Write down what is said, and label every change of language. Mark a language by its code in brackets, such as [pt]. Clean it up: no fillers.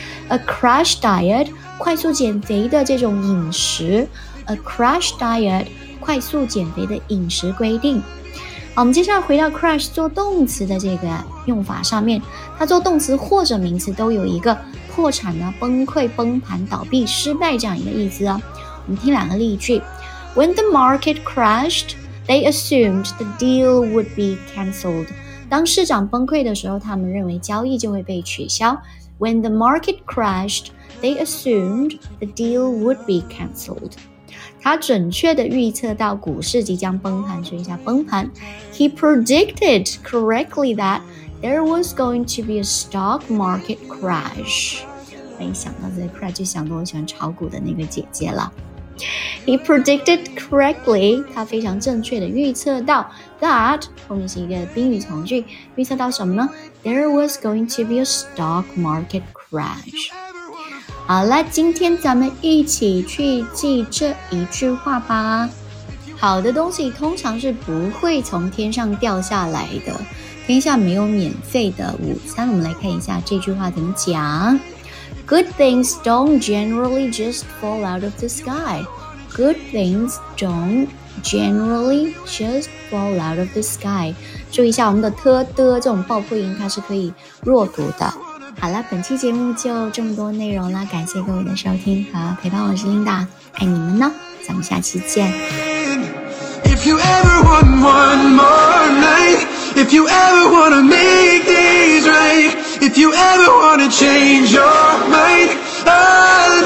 [en] A crash diet [zh] 快速减肥的这种饮食， A crash diet 快速减肥的饮食规定。好，我们接下来回到 crash 做动词的这个用法上面，它做动词或者名词都有一个破产啊、崩溃、崩盘、倒闭、失败这样一个意思啊。我们听两个例句。 [en] When the market crashed, they assumed the deal would be cancelled. [zh] 当市场崩溃的时候，他们认为交易就会被取消。 [en] When the market crashed, they assumed the deal would be cancelled. [zh] 他准确地预测到股市即将崩盘，说一下崩盘。 [en] He predicted correctly that there was going to be a stock market crash. [zh] 没想到这个 crash 就想到我喜欢炒股的那个姐姐了。 [en] He predicted correctly, [zh] 他非常正确地预测到 that, 后面是一个宾语从句，预测到什么呢？ [en] There was going to be a stock market crash. [zh] 好了，今天咱们一起去记这一句话吧。好的东西通常是不会从天上掉下来的，天下没有免费的午餐。我们来看一下这句话怎么讲。 [en] Good things don't generally just fall out of the sky. Good things don't generally just fall out of the sky. [zh] 注意一下我们的特的这种爆破音，它是可以弱读的。好了，本期节目就这么多内容了，感谢各位的收听和陪伴，我是 Linda， 爱你们呢，咱们下期见。 [en] If you ever want one more night, If you ever want to make things right, If you ever want to change your mind,